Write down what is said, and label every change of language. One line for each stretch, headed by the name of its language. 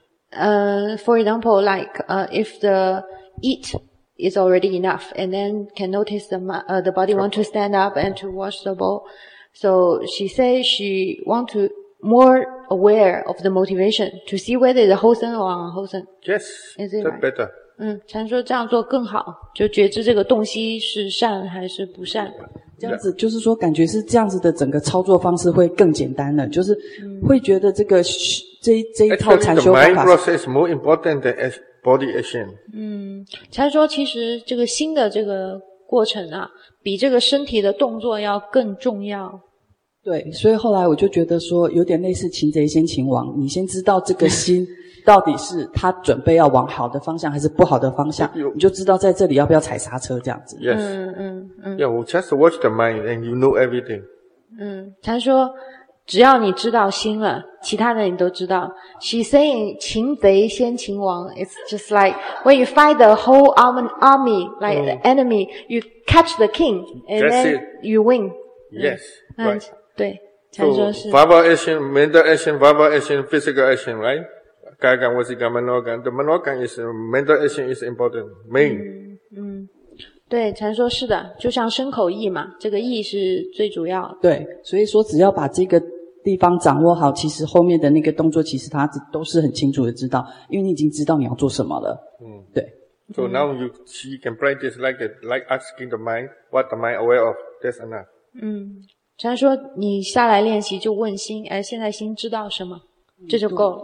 English: For example, like, if the eat is already enough and then can notice the body want to stand up and to wash the bowl. So she says she want to more aware of the motivation to see whether it's wholesome or unwholesome. Yes, is it that right? Better.
Chinese: 禅说这样做更好，就觉知这个动机是善还是不善。这样子就是说感觉是这样子的整个操作方式会更简单了，就是会觉得这个这一套禅修方法。
English: Actually, the mind process is more important than body action.
Chinese: 禅说其实这个心的这个过程啊，比这个身体的动作要更重要。对，所以后来我就觉得说有点类似擒贼先擒王，你先知道这个心到底是他准备要往好的方向还是不好的方向，你就知道在这里要不要踩刹车，这样子。
English: Yes. Yeah, we'll just watch the mind and you know everything.
Chinese: 他说只要你知道心了，其他的你都知道。
English: She's saying
Chinese: 擒贼先擒王，
English: it's just like when you fight the whole army, like the enemy, you catch the king and then you win. Yes, right.
Chinese: 对，禅说是
English: verbal action, mental action, verbal action, physical action, right? 该干我是干慢脑干，the 慢脑干 is mental action is important main.
Chinese: 对，禅说是的，就像身口意嘛，这个意是最主要的。对，所以说只要把这个地方掌握好，其实后面的那个动作，其实他都是很清楚的知道，因为你已经知道你要做什么了。对。
English: So now you she can practice like asking the mind what the mind aware of. That's enough.
Chinese: 禅师说你下来练习就问心，哎，现在心知道什么，这就够了，